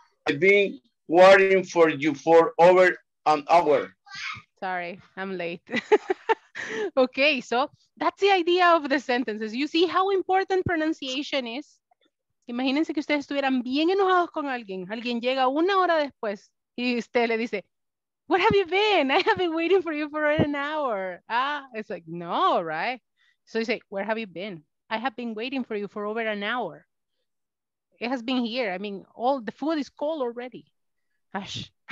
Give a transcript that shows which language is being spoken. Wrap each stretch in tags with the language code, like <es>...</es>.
<en>I've been waiting for you for over an hour. Sorry, I'm late. Okay, so that's the idea of the sentences. You see how important pronunciation is.</en> <es>Imagínense que ustedes estuvieran bien enojados con alguien. Alguien llega una hora después y usted le dice,</es> <en>where have you been? I have been waiting for you for an hour. Ah, it's like, no, right? So you say, where have you been? I have been waiting for you for over an hour. It has been here. I mean, all the food is cold already. Hush.</en>